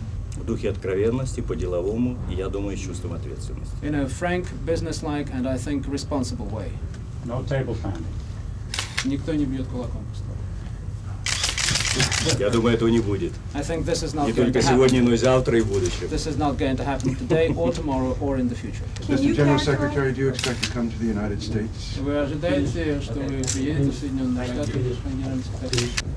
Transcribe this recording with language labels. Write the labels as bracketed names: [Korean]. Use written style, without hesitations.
[Russian] В духе откровенности, по-деловому, я думаю, с чувством ответственности. [English] In a frank, business-like, and I think responsible way. No table pounding. [Russian] Никто не бьет кулаком. Я думаю, этого не будет. [English] I think this is not [Russian] не только сегодня, [English] happen. [Russian] Но и завтра, и в будущем. [English] This is not going to happen today, or tomorrow, or in the future. Mr. General Secretary, do you expect to come to the United States? [Russian] Вы ожидаете, что вы приедете в Соединенные Штаты?